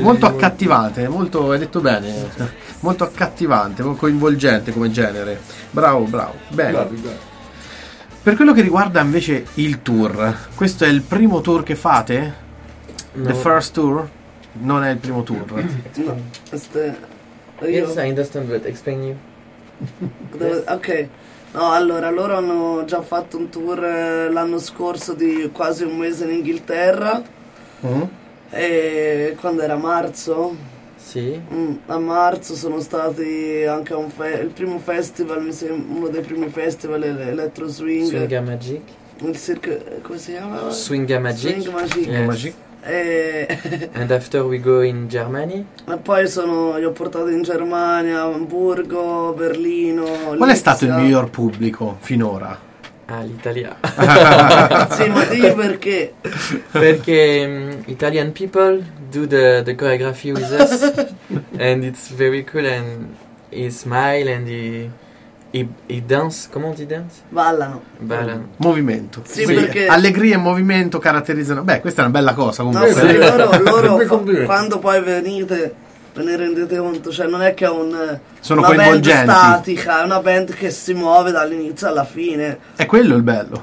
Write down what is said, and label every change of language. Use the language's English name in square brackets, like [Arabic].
[Italian] Molto accattivante, molto, hai detto bene. Sì. Molto accattivante, molto coinvolgente come genere. Bravo, bravo. Bene. Bravi, bravi. Per quello che riguarda invece il tour, questo è il primo tour che fate? No. [English] The first tour? [Italian] Non è il primo tour. No. [English] Yes, I understand, but explain you. [Italian] Ok, no, allora loro hanno già fatto un tour l'anno scorso di quasi un mese in Inghilterra. E quando era marzo? Sì. A marzo sono stati anche a un il primo festival, mi sembra uno dei primi festival, l'Electro Swing. Swinga Magic. Il circo, come si chiama? Swinga Magic. Swing Magic. [English] Yes. Magic. And after we go in Germany. [Italian] E poi sono, li ho portati in Germania, Hamburgo, Berlino. Qual è stato il miglior pubblico finora? Ah, l'Italia. Sì, ma dimmi perché. [English] Perché Italian people do the choreography with us and it's very cool and he smile and he dance. [Italian] Come ti dance? Ballano. Ballano. Movimento. Sì, sì, perché allegria e movimento caratterizzano. Beh, questa è una bella cosa comunque. No, sì, loro quando poi venite ve ne rendete conto, cioè non è che è sono coinvolgenti. Band statica, è una band che si muove dall'inizio alla fine. È quello il bello.